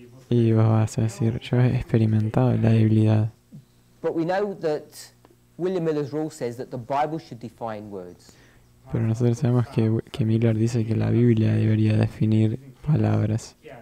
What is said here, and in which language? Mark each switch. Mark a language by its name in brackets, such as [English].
[Spanish] Y vos vas a decir, yo he experimentado la debilidad. [English] But we know that William Miller's rule says that the Bible should define words. [Spanish] Pero nosotros sabemos que Miller dice que la Biblia debería definir palabras.